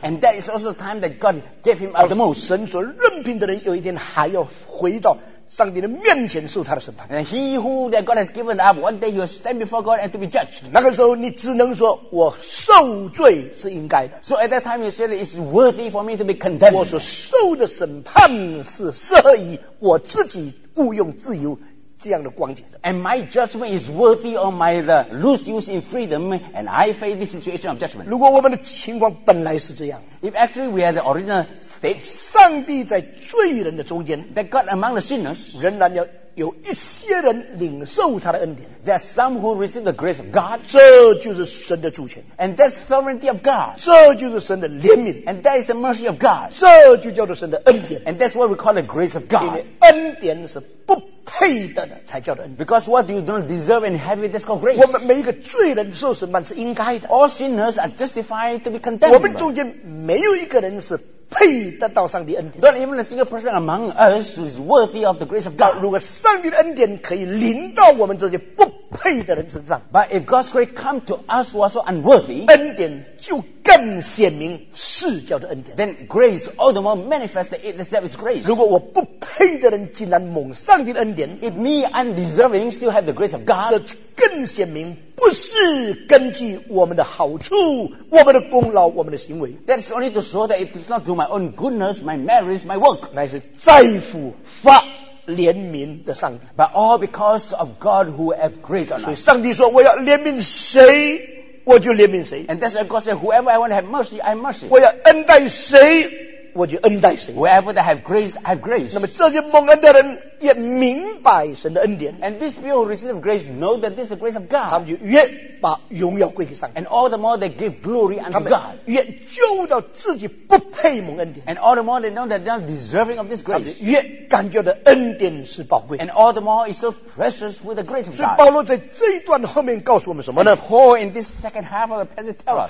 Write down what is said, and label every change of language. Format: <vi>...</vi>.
<en>And that is also the time that God gave him up the most.</en> <zh>神所任凭的人有一天还要回到。上帝的面前受他的审判</zh> <en>And he who that God has given up One day he will stand before God and to be judged</en> <zh>那个时候你只能说我受罪是应该的</zh> <en>So at that time you said it's worthy for me to be condemned</en> <zh>我所受的审判是适宜我自己雇用自由这样的光景的</zh> <en>And my judgment is worthy of my loose use in freedom And I face this situation of judgment</en> <zh>如果我们的情况本来是这样</zh> <en>If actually we are the original state</en> <zh>上帝在罪人的中间</zh> <en>That God among the sinners</en> <zh>仍然要有一些人领受他的恩典</zh> <en>There are some who receive the grace of God</en> <zh>这就是神的主权</zh> <en>And that's sovereignty of God</en> <zh>这就是神的怜悯</zh> <en>And that is the mercy of God</en> <zh>这就叫做神的恩典</zh> <en>And that's what we call the grace of God</en> <zh>因为恩典是不配得的才叫恩典</zh> <en>Because what you don't deserve and have it, that's called grace</en> <zh>我们每一个罪人受审判是应该的</zh> <en>All sinners are justified to be condemned</en> <zh>我们中间没有一个人是配得到上帝恩典</zh> <en>Not even a single person among us is worthy of the grace of God</en> <zh>如果上帝的恩典可以临到我们这些不配的人身上</zh> <en>But if God's grace come to us who are so unworthy</en> <zh>恩典就更显明是叫做恩典</zh> <en>Then grace all the more manifests it itself is grace</en> <zh>如果我不配的人竟然蒙上帝的恩典</zh> <en>If me undeserving still have the grace of God</en> <zh>这更显明不是根据我们的好处我们的功劳我们的行为</zh> <en>That's only to show that it is not to my own goodness my merits, my work</en> <zh>乃是在乎发怜悯的上帝</zh> <en>But all because of God who have grace on us</en> <zh>所以上帝说我要怜悯谁我就怜悯谁</zh> <en>And that's why God said whoever I want to have mercy, I have mercy</en> <zh>我要恩待谁我就恩待谁</zh> <en>Wherever they have grace, I have grace</en> <zh>那么这些蒙恩的人也明白神的恩典</zh> <en>And these people who receive grace know that this is the grace of God</en> <zh>他们就越把荣耀归给上帝</zh> <en>And all the more they give glory unto God</en> <zh>越揪到自己不配蒙恩典</zh> <en>And all the more they know that they are deserving of this grace</en> <zh>他们越感觉的恩典是宝贵</zh> <en>And all the more it's so precious with the grace of God</en> <zh>所以保罗在这一段后面告诉我们什么呢</zh> <en>And Paul in this second half of the passage tell us</en>